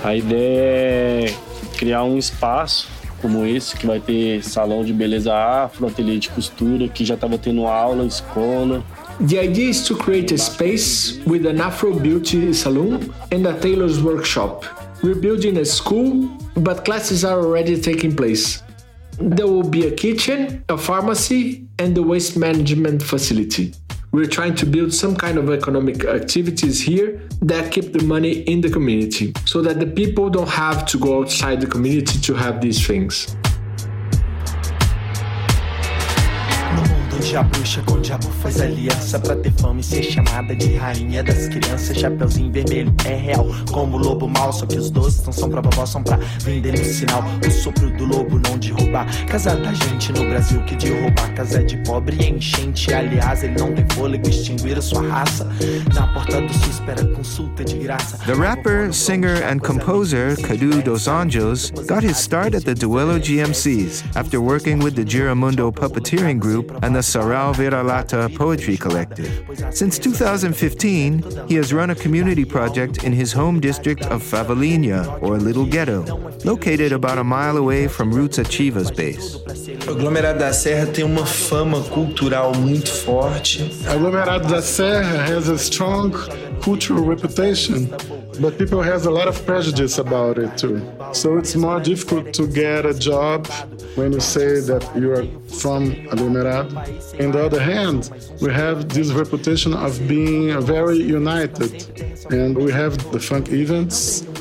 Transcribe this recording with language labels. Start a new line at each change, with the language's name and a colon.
Portuguese: A ideia é criar espaço como esse, que vai ter salão de beleza afro, ateliê de costura, que já estava tendo aula, escola.
English: The idea is to create a space with an Afro beauty salon and a tailor's workshop. We're building a school, but classes are already taking place. There will be a kitchen, a pharmacy, and the waste management facility. We're trying to build some kind of economic activities here that keep the money in the community, so that the people don't have to go outside the community to have these things.
Portuguese: Já puxa com o diabo, faz aliança pra ter fama e ser chamada de rainha das crianças. Chapeuzinho vermelho é real, como o lobo mau. Só que os doces não são pra vovó, são pra vender no sinal. O sopro do lobo não derruba casa da gente no Brasil, que derruba casa de pobre e enchente. Aliás, ele não tem fôlego, extinguir a sua raça. Na porta do sul espera consulta de graça.
English: The rapper, singer and composer Cadu Dos Anjos got his start at the Duelo GMCs after working with the Giramundo Puppeteering Group and the Sarau Viralata Poetry Collective. Since 2015, he has run a community project in his home district of Favelinha, or Little Ghetto, located about a mile away from Roots Ativa's base.
Portuguese: Aglomerado da Serra tem uma fama cultural muito forte.
English: Aglomerado da Serra has a strong cultural reputation, but people have a lot of prejudice about it too. So it's more difficult to get a job when you say that you are from Aglomerado. On the other hand, we have this reputation of being very united, and we have the funk events.